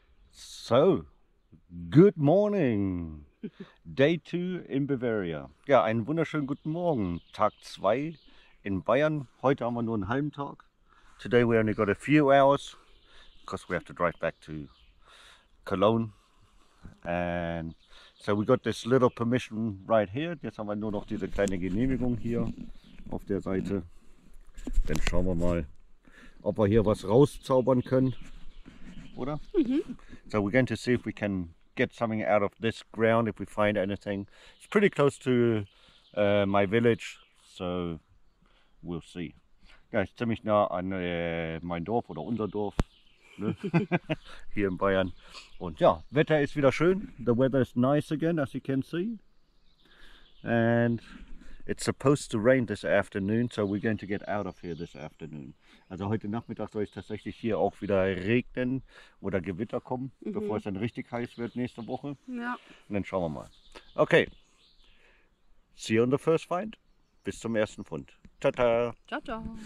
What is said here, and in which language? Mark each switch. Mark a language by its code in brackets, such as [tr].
[en] So, good morning. Day 2 in Bavaria. [de] Ja, einen wunderschönen guten Morgen. Tag 2 in Bayern. Heute haben wir nur einen halben Tag. [en] Today we only got a few hours, because we have to drive back to Cologne, and so we got this little permission right here. [de] Jetzt haben wir nur noch diese kleine Genehmigung hier auf der Seite. Dann schauen wir mal, ob wir hier was rauszaubern können, oder? Mm-hmm. [en] So we're going to see if we can get something out of this ground, if we find anything. It's pretty close to my village, so we'll see. [de] Ja, ist ziemlich nah an mein Dorf oder unser Dorf, ne? Hier in Bayern. Und ja, Wetter ist wieder schön. [en] The weather is nice again, as you can see. And it's supposed to rain this afternoon, so we're going to get out of here this afternoon. [de] Also heute Nachmittag soll es tatsächlich hier auch wieder regnen oder Gewitter kommen, mhm, bevor es dann richtig heiß wird nächste Woche. Ja. Und dann schauen wir mal. Okay. [en] See you on the first find. [de] Bis zum ersten Fund. Ciao, ciao. Ciao, ciao.